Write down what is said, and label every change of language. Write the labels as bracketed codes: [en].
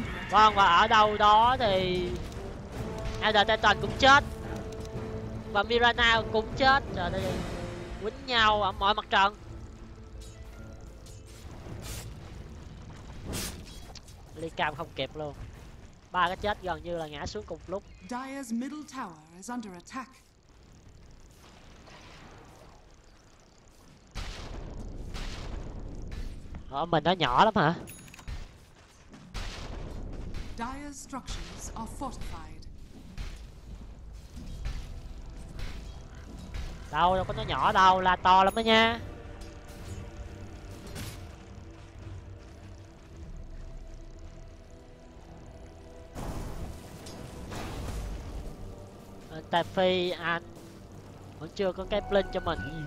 [vi] Vâng, và ở đâu đó thì Elder Titan cũng chết. Và Mirana cũng chết. Trời ơi, quýnh nhau ở mọi mặt trận. Ly Cam không kịp luôn. Ba cái chết gần như là ngã xuống cùng lúc. [en] Dire's middle tower is under attack. [vi] Ở mình nó nhỏ lắm hả? [en] Dire's structures are fortified. [vi] Đâu có nó nhỏ đâu, là to lắm đó nha. Tại Phi anh vẫn chưa có cái blink cho mình.